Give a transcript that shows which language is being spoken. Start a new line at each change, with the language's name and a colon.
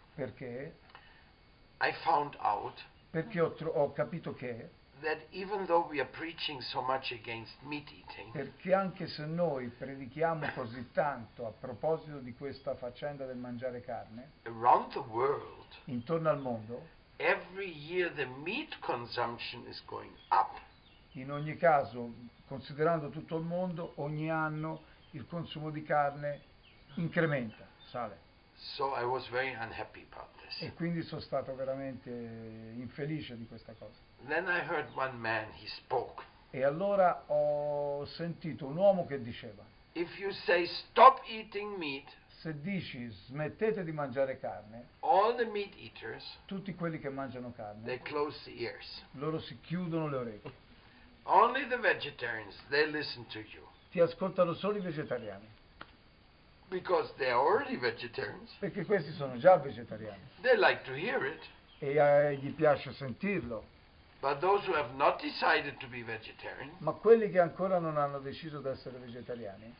Italian: Perché?
English: I found out.
Italian: Perché ho capito che.
English: That even though we are preaching so much against meat eating.
Italian: Perché anche se noi predichiamo così tanto a proposito di questa faccenda del mangiare carne.
English: Around the world.
Italian: Intorno al mondo.
English: Every year the meat consumption is going up.
Italian: In ogni caso, considerando tutto il mondo, ogni anno il consumo di carne incrementa, sale.
English: So I was very unhappy about this.
Italian: E quindi sono stato veramente infelice di questa cosa.
English: Then I heard one man, he spoke.
Italian: E allora ho sentito un uomo che diceva.
English: If you say stop eating meat,
Italian: se dici smettete di mangiare carne,
English: all the meat eaters,
Italian: tutti quelli che mangiano carne,
English: they close the ears.
Italian: Loro si chiudono le orecchie.
English: Only the vegetarians, they listen to you.
Italian: Ti ascoltano solo i vegetariani.
English: Because they are already vegetarians.
Italian: Perché questi sono già vegetariani.
English: They like to hear it.
Italian: E gli piace sentirlo.
English: But those who have not decided to be vegetarian,
Italian: ma quelli che ancora non hanno deciso di essere vegetariani,